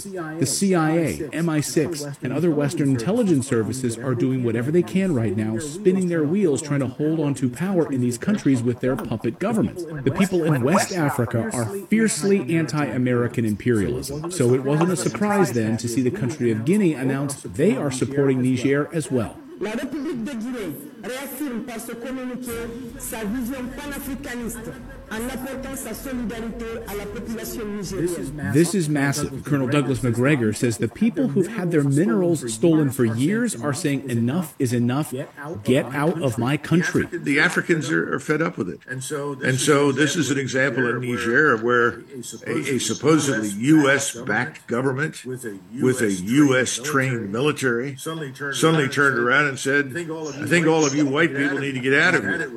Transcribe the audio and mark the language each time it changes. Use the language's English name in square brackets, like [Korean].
[English] The CIA, MI6, and other Western intelligence services are doing whatever they can right now, spinning their wheels trying to hold on to power in these countries with their puppet governments. The people in West Africa are fiercely anti-American imperialism. So it wasn't a surprise then to see the country of Guinea announce they are supporting Niger as well. [French] La République de Guinée réaffirme par ce communiqué sa vision panafricaniste en apportant sa solidarité à la population nigérienne. [English] This is massive. Colonel Douglas McGregor says the people who've had their minerals stolen for years are saying enough is enough. Get out of my country. The Africans are fed up with it. And so this is an example in Niger where a supposedly U.S.-backed government with a U.S.-trained military suddenly turned around and said, I think all of you white people need to get out of here.